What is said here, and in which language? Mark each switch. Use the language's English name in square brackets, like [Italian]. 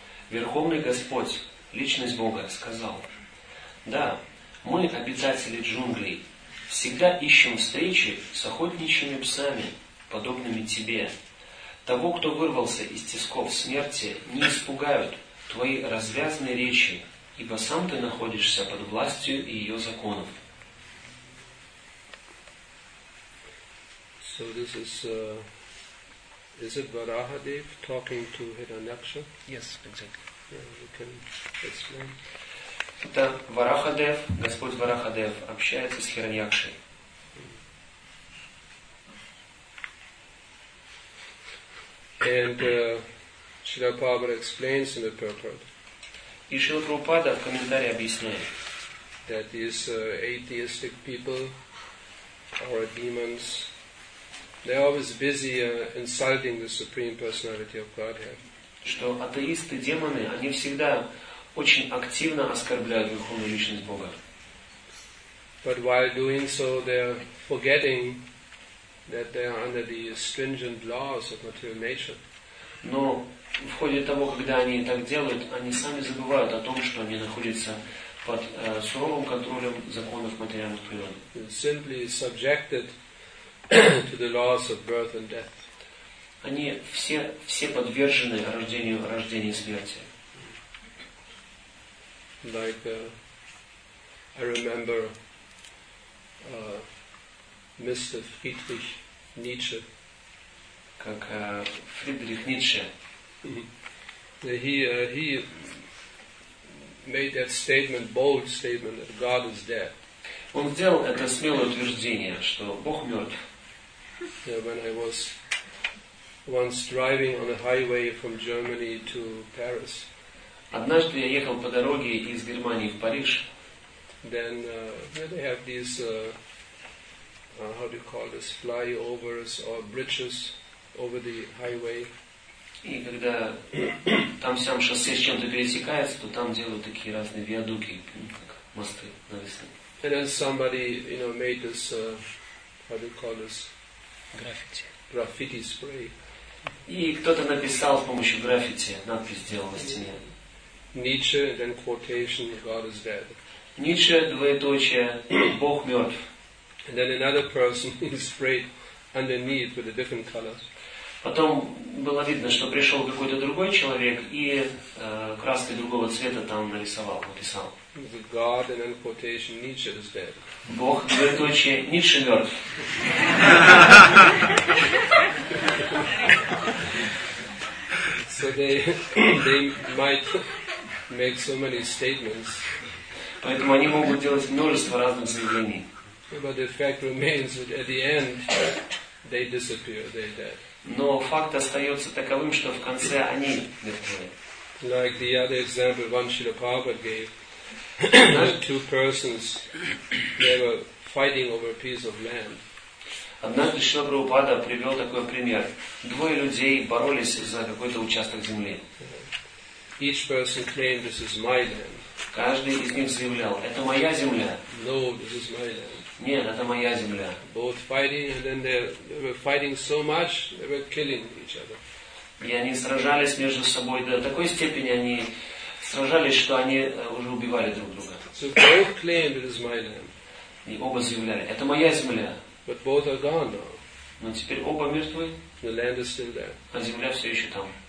[Russian] Верховный Господь, Личность Бога, сказал: «Да, мы, обитатели джунглей, всегда ищем встречи с охотничьими псами, подобными тебе. Того, кто вырвался из тисков смерти, не испугают твои развязные речи, ибо сам ты находишься под властью ее законов». [English] So this is it Varahadev talking to Hiranyaksha? Yes, exactly. Yeah, you can explain. [Russian] Это Варахадев, Господь Варахадев, общается с Хираньякшей. [English] And Шрила Прабхупада explains in the purport. [Russian] И Шрила Прабхупада в комментарии объясняет, [English] that is, atheistic people or demons, they're always busy insulting the Supreme Personality of Godhead. [Russian] Что атеисты, демоны, они всегда очень активно оскорбляют Верховную Личность Бога. [English] But while doing so, they're forgetting that they're under the stringent laws of material nature. [Russian] Но в ходе того, когда они так делают, они сами забывают о том, что они находятся под суровым контролем законов материальных природ. [English] Simply subjected to the laws of birth and death. [Russian] Они все подвержены рождению и смерти. [English] Like I remember Mr. Friedrich Nietzsche. [Russian] Как Фридрих Ницше. [English] He made that statement, bold statement, that God is dead. [Russian] Он сделал это смелое утверждение, что Бог мертв. [English] Yeah, when I was once driving on a highway from Germany to Paris. [Russian] Однажды я ехал по дороге из Германии в Париж. [English] Then they have these how do you call this, flyovers or bridges over the highway. [Russian] И когда там сам шоссе с чем-то пересекается, то там делают такие разные виадуки, как мосты нарисованы. [English] And then somebody, you know, made this, how do you call this? Graffiti. Graffiti spray. [Russian] И кто-то написал с помощью граффити, надпись сделал на стене. [English] Nietzsche, then quotation, God is dead. [Russian] Nietzsche, двоеточие, Бог мертв. [English] And then another person sprayed underneath with a different color. [Russian] Потом было видно, что пришел какой-то другой человек и краской другого цвета там нарисовал, написал. [English] The God and then quotation Nietzsche is dead. [Russian] Бог, двоеточие, Nietzsche мертв. [English] So they might make so many statements. [Russian] Поэтому они могут делать множество разных заявлений. [English] But the fact remains that at the end they disappear, they're dead. [Russian] Но факт остается таковым, что в конце они мертвы. [English] Like the other example one Srila Prabhupada gave. Two persons, they were fighting over a piece of land. [Russian] Однажды Шрила Прабхупада привел такой пример. Двое людей боролись за какой-то участок земли. [English] Each person claimed, this is my land. [Russian] Каждый из них заявлял, это моя земля. [English] No, this is my land. [Russian] Нет, это моя земля. [English] Both fighting, and then they were fighting so much, they were killing each other. [Russian] И они сражались между собой до такой степени, они сражались, что они уже убивали друг друга. [English] So both claimed, this is my land. [Russian] И оба заявляли, это моя земля. [English] But both are gone now. [Russian] Но теперь оба мертвы. [English] The land is still there. [Russian] А земля все еще там.